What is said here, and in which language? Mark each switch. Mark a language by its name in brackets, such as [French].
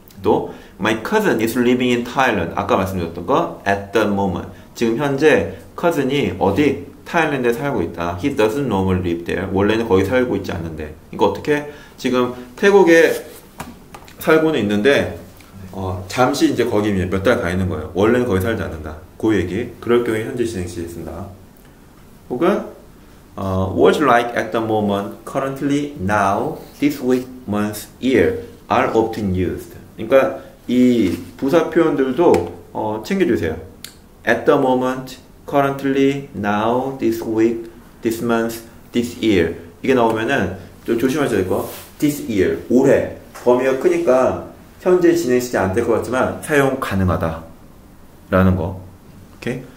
[Korean] 또 [English] My cousin is living in Thailand. [Korean] 아까 말씀드렸던 거 [English] At the moment [Korean] 지금 현재 cousin이 어디? 타일랜드에 살고 있다. [English] He doesn't normally live there. [Korean] 원래는 거기 살고 있지 않는데 그러니까 어떻게 지금 태국에 살고는 있는데 잠시 이제 거기 몇 달 가 있는 거예요. 원래는 거기 살지 않는다. 그 얘기 그럴 경우에 현재 진행 시제 쓴다. [English] 혹은 What's like at the moment, currently, now, this week, month, year are often used. [Korean] 그러니까 이 부사 표현들도 챙겨주세요. [English] At the moment, currently, now, this week, this month, this year [Korean] 이게 나오면은 좀 조심하셔야 될 거. [English] This year, [Korean] 올해 범위가 크니까 현재 진행시제 안 될 것 같지만 사용 가능하다. 라는 거. 오케이?